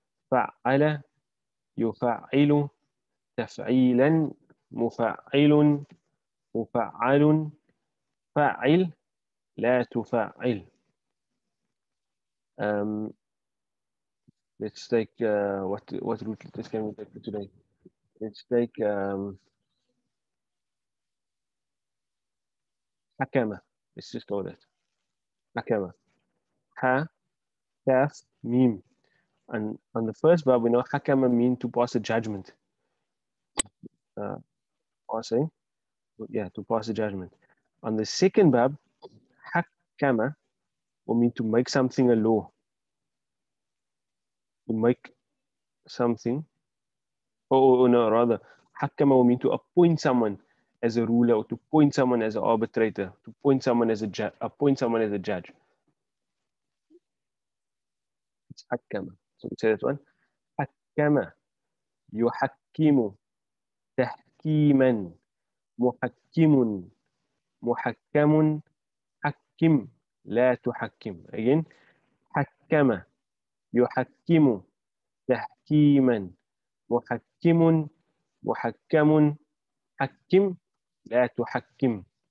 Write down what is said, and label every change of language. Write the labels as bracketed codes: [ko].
[ar] فعل يفعل تفعيلا مفعل مفعل فعل لا تفعل. [en] Let's take what root letters can we take for today? Let's take حكمة. Let's just call it حكمة. Ha, kaf, mim. And on the first verb, we know hakama mean to pass a judgment. To pass a judgment. On the second verb, hakama will mean to make something a law. To make something. Hakama will mean to appoint someone as a ruler, or to appoint someone as an arbitrator, to appoint someone as a appoint someone as a judge. حكما. So we say that one. [ar] حكما يحكم تحكيما محكم محكم حكم لا تحكم. [en] Again. [ar] حكما يحكم تحكيما محكم محكم حكم لا تحكم.